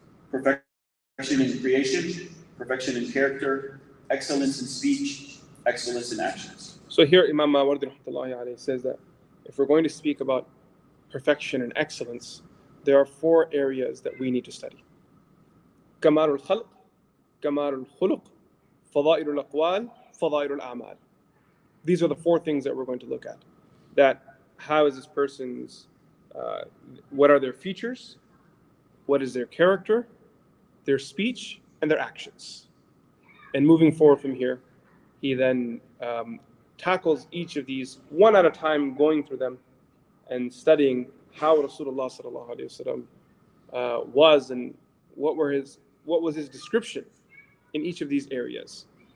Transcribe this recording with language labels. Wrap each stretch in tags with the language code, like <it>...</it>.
<en>Perfection in creation, perfection in character, excellence in speech, excellence in actions. So here Imam Mawardi rahmatullahi alayhi says that if we're going to speak about perfection and excellence, there are four areas that we need to study.</en> <ar>كمال الخلق, كمال الخلق, فضائل الأقوال, فضائل الأعمال.</ar> <en>These are the four things that we're going to look at. That how is this person's, what are their features? What is their character? Their speech and their actions. And moving forward from here, he then tackles each of these one at a time, going through them and studying how Rasulullah sallallahu alayhi wa sallam was, and what was his description in each of these areas.</en>